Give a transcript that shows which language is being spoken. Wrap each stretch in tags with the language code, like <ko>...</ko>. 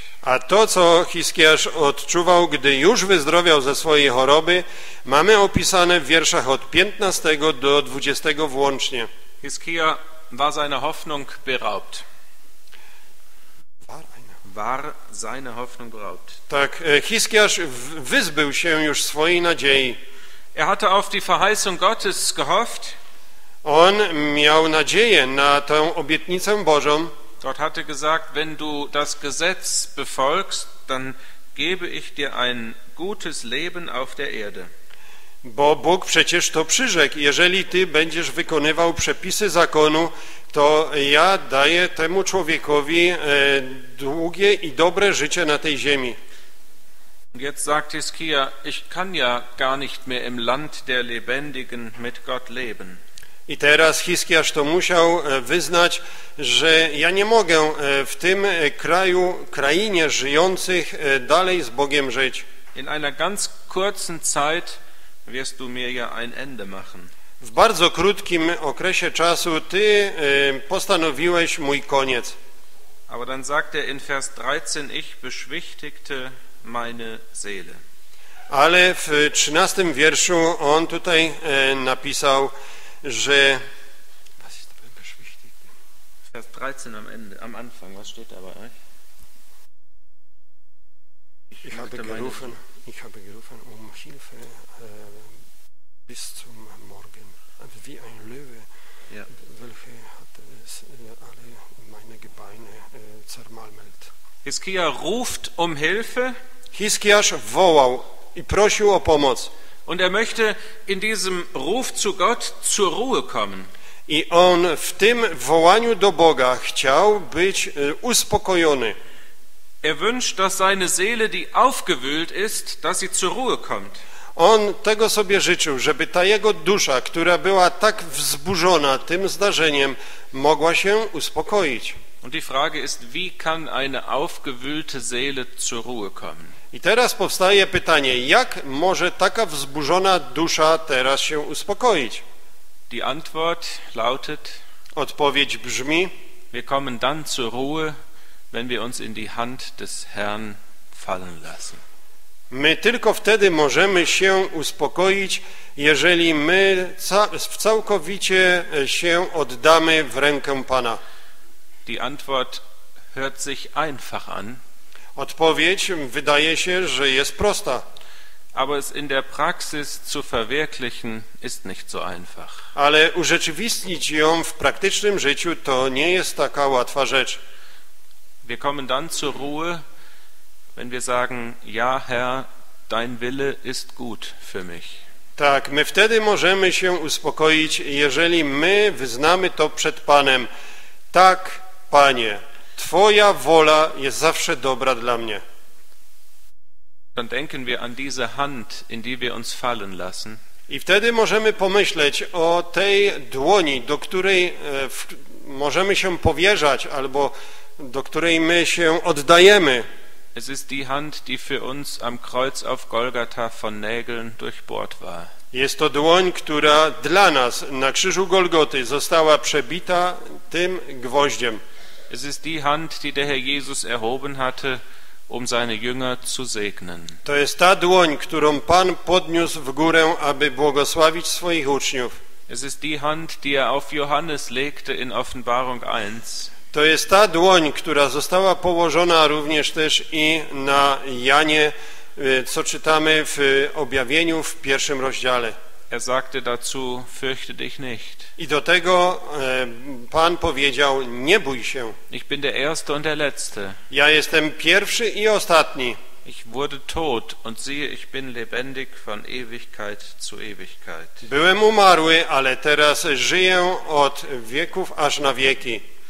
<pl>A to, co Hiskiasz odczuwał, gdy już wyzdrowiał ze swojej choroby, mamy opisane w wierszach od 15 do 20 włącznie.</pl> <de>Hiskia war seine Hoffnung beraubt. War seine Hoffnung beraubt.</de> <pl>Tak, Hiskiasz wyzbył się już swojej nadziei.</pl> <de>Er hatte auf die Verheißung Gottes gehofft.</de> <pl>On miał nadzieję na tę obietnicę Bożą.</pl> <de>Gott hatte gesagt, wenn du das Gesetz befolgst, dann gebe ich dir ein gutes Leben auf der Erde.</de> <pl>Bo Bóg przecież to przyrzekł. Jeżeli ty będziesz wykonywał przepisy zakonu, to ja daję temu człowiekowi długie i dobre życie na tej ziemi.</pl> <de>Jetzt sagt Hiskia, ich kann ja gar nicht mehr im Land der Lebendigen mit Gott leben.</de> <pl>I teraz Hiskiasz to musiał wyznać, że ja nie mogę w tym kraju, krainie żyjących, dalej z Bogiem żyć.</pl> <de>In einer ganz kurzen Zeit wirst du mir ja ein Ende machen.</de> <pl>W bardzo krótkim okresie czasu ty postanowiłeś mój koniec.</pl> <de>Aber dann sagt er in Vers 13, ich beschwichtigte meine Seele.</de> <pl>Ale w 13 wierszu on tutaj napisał, że</pl> <de>was ist dabei ganz wichtig. Vers 13 am Ende, am Anfang, was steht dabei? Ich habe gerufen um Hilfe bis zum Morgen, wie ein Löwe, ja. Welche hat es alle meine Gebeine zermalmelt. Hiskia ruft um Hilfe.</de> <pl>Hiskias wołał i prosił o pomoc.</pl> <de>Und er möchte in diesem Ruf zu Gott zur Ruhe kommen.</de> <pl>I on w tym wołaniu do Boga chciał być uspokojony.</pl> <de>Er wünscht, dass seine Seele, die aufgewühlt ist, dass sie zur Ruhe kommt.</de> <pl>On tego sobie życzył, żeby ta jego dusza, która była tak wzburzona tym zdarzeniem, mogła się uspokoić.</pl> <de>Und die Frage ist, wie kann eine aufgewühlte Seele zur Ruhe kommen?</de> <pl>I teraz powstaje pytanie, jak może taka wzburzona dusza teraz się uspokoić?</pl> <de>Die Antwort lautet:</de> <pl>Odpowiedź brzmi:</pl> <de>Wir kommen dann zur Ruhe, wenn wir uns in die Hand des Herrn fallen lassen.</de> <pl>My tylko wtedy możemy się uspokoić, jeżeli my całkowicie się oddamy w rękę Pana.</pl> <de>Die Antwort hört sich einfach an.</de> <pl>Odpowiedź wydaje się, że jest prosta.</pl> <de>Aber es in der Praxis zu verwirklichen ist nicht so einfach.</de> <pl>Ale urzeczywistnić ją w praktycznym życiu to nie jest taka łatwa rzecz.</pl> <de>Wir kommen dann zur Ruhe, wenn wir sagen, ja Herr, dein Wille ist gut für mich.</de> <pl>Tak, my wtedy możemy się uspokoić, jeżeli my wyznamy to przed Panem. Tak, Panie, Twoja wola jest zawsze dobra dla mnie.</pl> <de>Dann denken wir an diese Hand, in die wir uns fallen lassen.</de> <pl>I wtedy możemy pomyśleć o tej dłoni, do której możemy się powierzać, albo do której my się oddajemy.</pl> <de>Es ist die Hand, die für uns am Kreuz auf Golgatha von Nägeln durchbohrt war.</de> <pl>Jest to dłoń, która dla nas na krzyżu Golgoty została przebita tym gwoździem.</pl> <de>Es ist die Hand, die der Herr Jesus erhoben hatte, um seine Jünger zu segnen.</de> <pl>To jest ta dłoń, którą Pan podniósł w górę, aby błogosławić swoich uczniów.</pl> <de>Es ist die Hand, die er auf Johannes legte in Offenbarung 1.</de> <pl>To jest ta dłoń, która została położona również też i na Janie, co czytamy w objawieniu w pierwszym rozdziale.</pl> <de>Er sagte dazu, fürchte dich nicht.</de> <pl>I do tego Pan powiedział, nie bój się.</pl> <de>Ich bin der Erste und der Letzte.</de> <pl>Ja jestem pierwszy i ostatni.</pl> <de>Ich wurde tot und siehe, ich bin lebendig von Ewigkeit zu Ewigkeit.</de> <pl>Byłem umarły, ale teraz żyję od wieków aż na wieki.</pl>